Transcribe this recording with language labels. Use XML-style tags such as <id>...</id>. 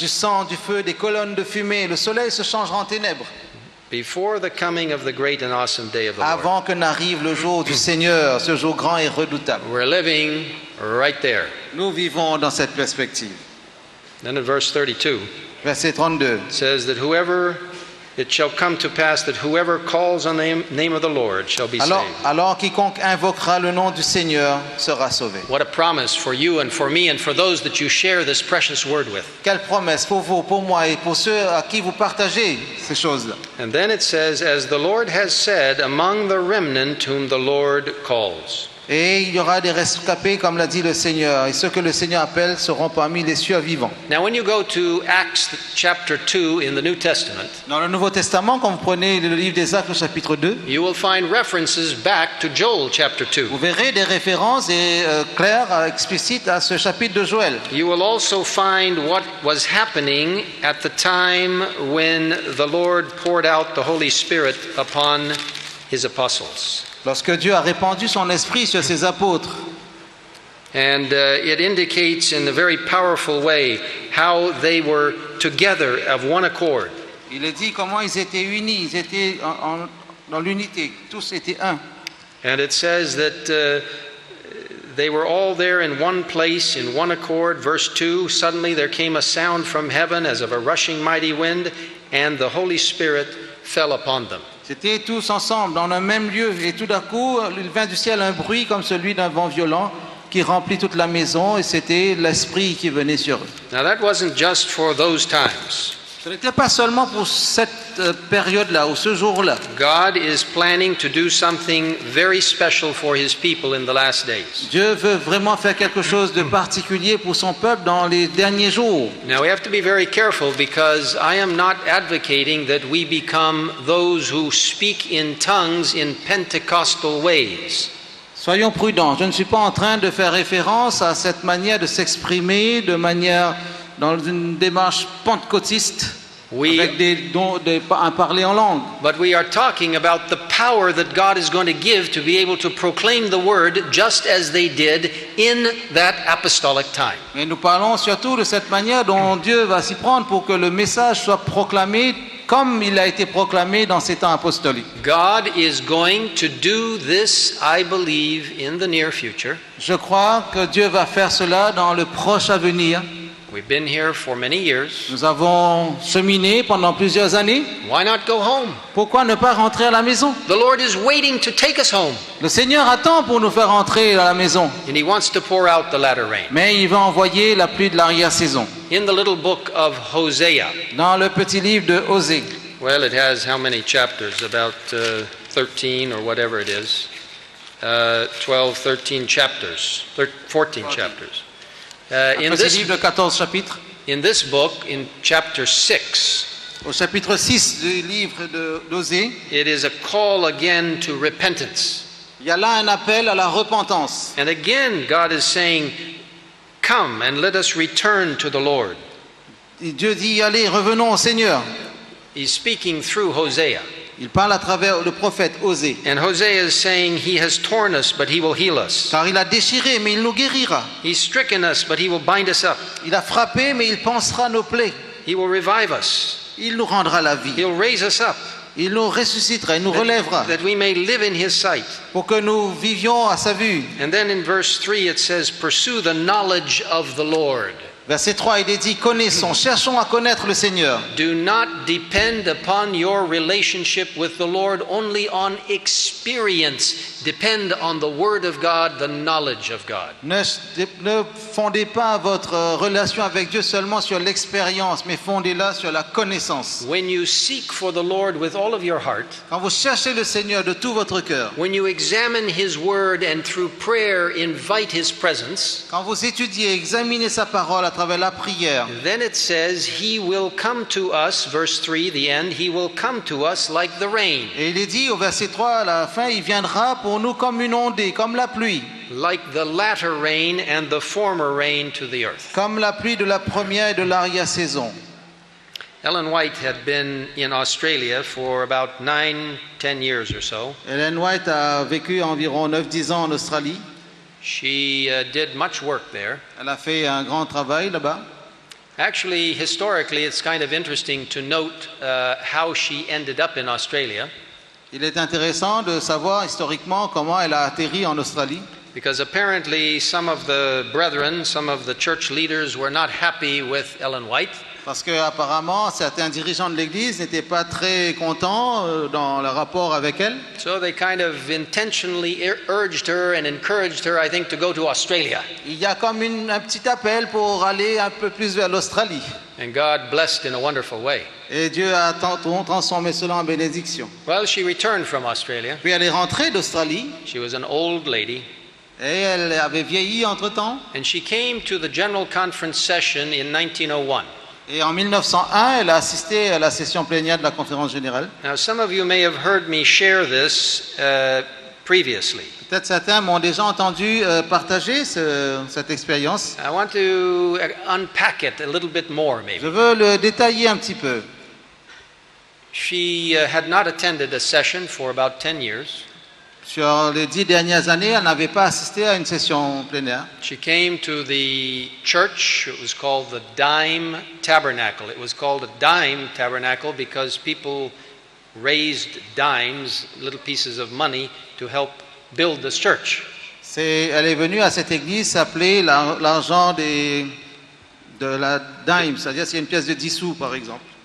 <fr>Du sang, du feu, des colonnes de fumée, le soleil se changera en ténèbres.</fr> <en>Before the coming of the great and awesome day of the Lord.</en> <fr>Avant que n'arrive le jour du Seigneur, ce jour grand et redoutable.</fr> <en>We're living right there.</en> <fr>Nous vivons dans cette perspective.</fr> <en>Then in verse 32.</en> <fr>Verset 32.</fr> <en>It says that whoever it shall come to pass that whoever calls on the name of the Lord shall be saved.</en> <fr>Alors quiconque invoquera le nom du Seigneur sera sauvé.</fr> <en>What a promise for you and for me and for those that you share this precious word with.</en> <fr>Quelle promesse pour vous, pour moi et pour ceux à qui vous partagez ces choses-là.</fr> <en>And then it says, as the Lord has said, among the remnant whom the Lord calls.</en> <fr>Et il y aura des rescapés, comme l'a dit le Seigneur, et ceux que le Seigneur appelle seront parmi les survivants.</fr> <en>Now, when you go to Acts chapter 2 in the New Testament,</en> <fr>dans le Nouveau Testament, quand vous prenez le livre des Actes chapitre 2,</fr> <en>you will find references back to Joel chapter 2.</en> <fr>Vous verrez des références et claires, explicites à ce chapitre de Joël.</fr> <en>You will also find what was happening at the time when the Lord poured out the Holy Spirit upon His apostles.</en> <fr>Lorsque Dieu a répandu son esprit sur ses apôtres.</fr> <en>And it indicates in a very powerful way how they were together of one accord. Il est dit comment ils étaient unis, ils étaient dans l'unité, tous étaient un. And it says that they were all there in one place, in one accord. Verse 2, suddenly there came a sound from heaven as of a rushing mighty wind, and the Holy Spirit fell upon them.</en> <fr>C'était tous ensemble, dans un même lieu, et tout d'un coup, il vint du ciel un bruit comme celui d'un vent violent qui remplit toute la maison, et c'était l'Esprit qui venait sur eux.</fr> <en>Now that wasn't just for those times.</en> <fr>Ce n'était pas seulement pour cette période-là, ou ce jour-là.</fr> <en>God is planning to do something very special for His people in the last days.</en> <fr>Dieu veut vraiment faire quelque chose de particulier pour son peuple dans les derniers jours.</fr> <en>Now we have to be very careful because I am not advocating that we become those who speak in tongues in Pentecostal ways.</en> <fr>Soyons prudents. Je ne suis pas en train de faire référence à cette manière de s'exprimer de manière dans une démarche pentecôtiste, avec des dons, un parler en langue.</fr> <en>But we are talking about the power that God is going to give to be able to proclaim the word just as they did in that apostolic time.</en> <fr>Mais nous parlons surtout de cette manière dont Dieu va s'y prendre pour que le message soit proclamé comme il a été proclamé dans ces temps apostoliques.</fr> <en>God is going to do this, I believe, in the near future.</en> <fr>Je crois que Dieu va faire cela dans le proche avenir.</fr> <en>We've been here for many years.</en> <fr>Nous avons cheminé pendant plusieurs années.</fr> <en>Why not go home?</en> <fr>Pourquoi ne pas rentrer à la maison?</fr> <en>The Lord is waiting to take us home.</en> <fr>Le Seigneur attend pour nous faire rentrer à la maison.</fr> <en>And He wants to pour out the latter rain.</en> <fr>Mais il va envoyer la pluie de l'arrière-saison.</fr> <en>In the little book of Hosea.</en> <fr>Dans le petit livre de Hosée.</fr> <en>Well, it has how many chapters? About 13 or whatever it is. 12, 13 chapters. 14 chapters. In this book, in chapter 6,</en> <fr>au chapitre 6 du livre d'Osée,</fr> <en>it is a call again to repentance.</en> <fr>Il y a là un appel à la repentance.</fr> <en>And again, God is saying, come and let us return to the Lord.</en> <fr>Dieu dit, allez, revenons au Seigneur.</fr> <en>He's speaking through Hosea.</en> <fr>Il parle à travers le prophète Hosea.</fr> <en>And Hosea is saying, he has torn us, but he will heal us.</en> <fr>Car il a déchiré, mais il nous guérira.</fr> <en>He's stricken us, but he will bind us up.</en> <fr>Il a frappé, mais il pansera nos plaies.</fr> <en>He will revive us.</en> <fr>Il nous rendra la vie.</fr> <en>He'll raise us up.</en> <fr>Il nous ressuscitera, il nous relèvera.</fr> <en>That we may live in his sight.</en> <fr>Pour que nous vivions à sa vue.</fr> <en>And then in verse 3 it says, pursue the knowledge of the Lord.</en> <fr>Verset 3, il est dit, connaissons, cherchons à connaître le Seigneur.</fr> <en>Do not depend upon your relationship with the Lord only on experience. Depend on the word of God, the knowledge of God.</en> <fr>Ne fondez pas votre relation avec Dieu seulement sur l'expérience, mais fondez-la sur la connaissance.</fr> <en>When you seek for the Lord with all of your heart,</en> <fr>quand vous cherchez le Seigneur de tout votre cœur,</fr> <en>when you examine his word and through prayer invite his presence,</en> <fr>quand vous étudiez, examinez sa parole à travers la prière,</fr> <en>then it says he will come to us, verse 3, the end, he will come to us like the rain.</en> <fr>Et il est dit au verset 3, à la fin, il viendra pour nous comme une ondée, comme la pluie.</fr> <en>Like the latter rain and the former rain to the earth.</en> <fr>Comme la pluie de la première et de l'arrière saison.</fr> <en>Ellen White had been in Australia for about 9-10 years or so.</en> <fr>Ellen White a vécu environ 9-10 ans en Australie.</fr> <en>She did much work there.</en> <fr>Elle a fait un grand travail là-bas.</fr> <en>Actually, historically, it's kind of interesting to note how she ended up in Australia.</en> <fr>Il est intéressant de savoir historiquement comment elle a atterri en Australie.</fr> <en>Because apparently some of the brethren, some of the church leaders were not happy with Ellen White.</en> <fr>Parce que apparemment certains dirigeants de l'église n'étaient pas très contents dans le rapport avec elle.</fr> <en>So they kind of intentionally urged her and encouraged her, I think, to go to Australia.</en> <fr>Il y a comme un petit appel pour aller un peu plus vers l'Australie.</fr> <en>And God blessed in a wonderful way.</en> <fr>Et Dieu a transformé cela en bénédiction.</fr> <en>Well, she returned from Australia.</en> <fr>Puis elle est rentrée d'Australie.</fr> <en>She was an old lady.</en> <fr>Et elle avait vieilli entre-temps.</fr> <en>And she came to the General Conference session in 1901.</en> <fr>Et en 1901, elle a assisté à la session plénière de la Conférence générale.</fr> <en>Now, some of you may have heard me share this previously.</en> <fr>Peut-être certains m'ont déjà entendu partager cette expérience.</fr> <en>I want to unpack it a little bit more, maybe.</en> <fr>Je veux le détailler un petit peu.</fr> <en>She had not attended a session for about 10 years.</en> <fr>Sur les 10 dernières années, elle n'avait pas assisté à une session plénière.</fr> <en>She came to the church. It was called the Dime Tabernacle. It was called a dime tabernacle because people raised dimes, little pieces of money, to help build this church.</en> <fr>Elle est venue à cette église s'appeler l'argent de la dime, c'est-à-dire c'est une pièce de 10 sous, par exemple.</fr>